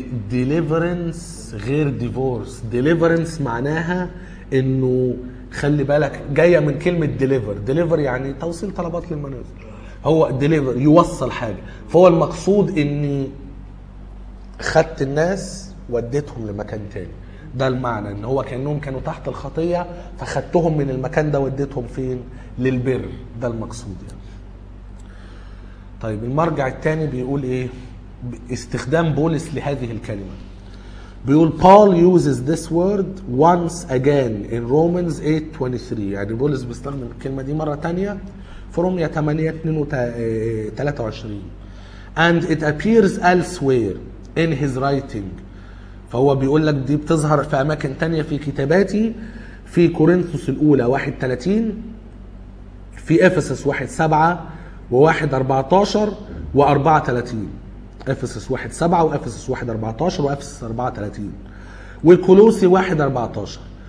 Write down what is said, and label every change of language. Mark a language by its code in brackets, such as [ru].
[ar] deliverance غير divorce. deliverance معناها انه خلي بالك جاية من كلمة deliver. deliver يعني توصيل طلبات للمنازل، هو deliver يوصل حاجة. فهو المقصود اني خدت الناس وديتهم لمكان تاني، ده المعنى. ان هو كأنهم كانوا تحت الخطية فخدتهم من المكان ده وديتهم فين؟ للبر. ده المقصود يعني. طيب المرجع الثاني بيقول ايه استخدام بولس لهذه الكلمة؟ بيقول [en] Paul uses this word once again in Romans 8:23. [ar] يعني بولس بيستخدم الكلمة دي مرة تانية في رومية 8:23. [en] And it appears elsewhere in his writing. [ar] فهو بيقول لك دي بتظهر في أماكن تانية في كتاباتي، في كورنثوس الأولى 1:30، في افسس 1:7 و 1:14 و 4:30. افسس 1:7 وافسس 1:14 وافسس 4:30 والكولوسي 1:14.